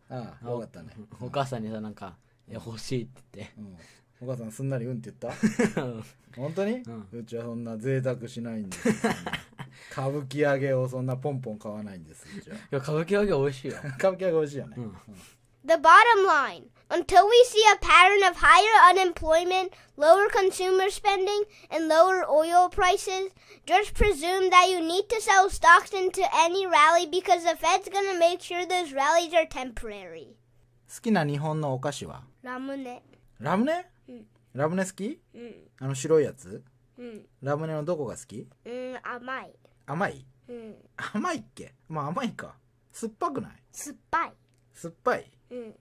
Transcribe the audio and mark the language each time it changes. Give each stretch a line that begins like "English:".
Japanese: うん、ああ、よかったね。お母さんにさ、なんか、うん、欲しいって言って。うん、お母さんすんなりうんって言った？本当に、うん、うちはそんな贅沢しないんです。歌舞伎揚げをそんなポンポン買わないんです。いや、歌舞伎揚げ美味しいよ。歌舞伎揚げ美味しいよね。うん。
English: The bottom line. Until we see a pattern of higher unemployment, lower consumer spending, and lower oil prices, just presume that you need to sell stocks into any rally because the Fed's gonna make sure those rallies are temporary.
Japanese: 好きな日本のお菓子は？ラムネ。ラムネ？うん。ラムネ好き？うん。あの白いやつ？うん。ラムネのどこが好き？うん、甘い。甘い？うん。甘いっけ？まあ甘いか。酸っぱくない？酸っぱい。酸っぱい、うん、